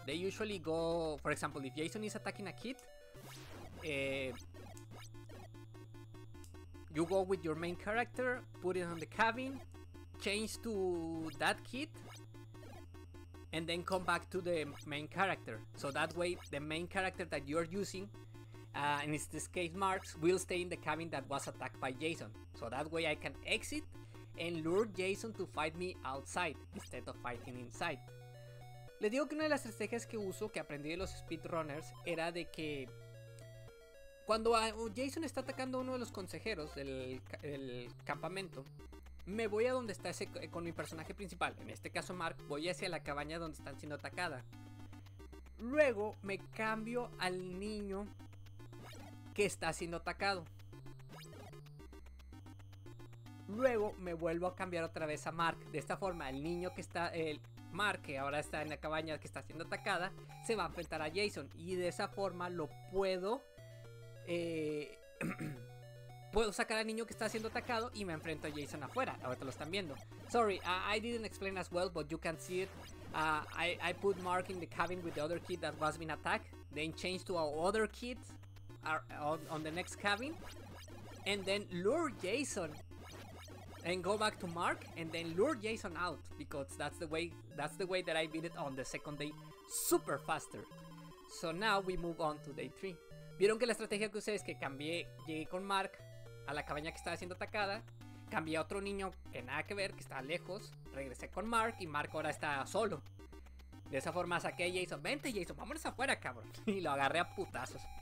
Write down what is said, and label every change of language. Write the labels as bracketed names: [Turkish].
[English] They usually go, for example, if Jason is attacking a kit, you go with your main character, put it on the cabin, change to that kit, and then come back to the main character. So that way, the main character that you're using, and it's this case Marks, will stay in the cabin that was attacked by Jason. So that way I can exit and lure Jason to fight me outside instead of fighting inside. [Spanish] Le digo que una de las estrategias que uso, que aprendí de los speedrunners, era de que cuando Jason está atacando a uno de los consejeros del campamento, me voy a donde está ese con mi personaje principal, en este caso Mark, voy hacia la cabaña donde están siendo atacada. Luego me cambio al niño que está siendo atacado. Luego me vuelvo a cambiar otra vez a Mark. De esta forma, el niño que está, el Mark, que ahora está en la cabaña que está siendo atacada, se va a enfrentar a Jason. Y de esa forma lo puedo... puedo sacar al niño que está siendo atacado y me enfrento a Jason afuera. Ahorita lo están viendo. [English] Sorry, I didn't explain as well, but you can see it. I put Mark in the cabin with the other kid that was being attacked. Then change to our other kid on the next cabin. And then lure Jason. And go back to Mark. And then lure Jason out. Because that's the way that I beat it on the second day super faster. So now we move on to day 3. [Spanish] Vieron que la estrategia que usé es que cambié, llegué con Mark a la cabaña que estaba siendo atacada, cambié a otro niño que nada que ver, que estaba lejos, regresé con Mark y Mark ahora está solo. De esa forma saqué a Jason. Vente, Jason, vámonos afuera, cabrón. Y lo agarré a putazos.